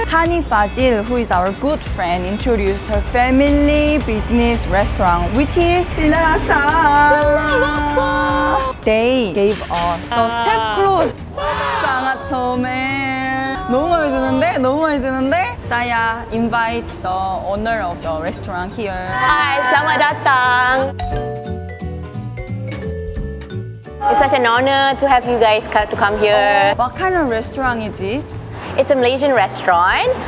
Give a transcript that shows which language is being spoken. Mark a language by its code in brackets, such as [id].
[en] Hani Fadil, who is our good friend, introduced her family business restaurant, which is Silarasa. They gave us the step close. [ko] 짱아 처음에 너무 마음에 드는데? 너무 마음에 드는데? [ms] Saya [en] invite the owner of the restaurant here. [ms] Hi, selamat datang. [en] It's such an honor to have you guys to come here. Oh, what kind of restaurant is it? It's a Malaysian restaurant.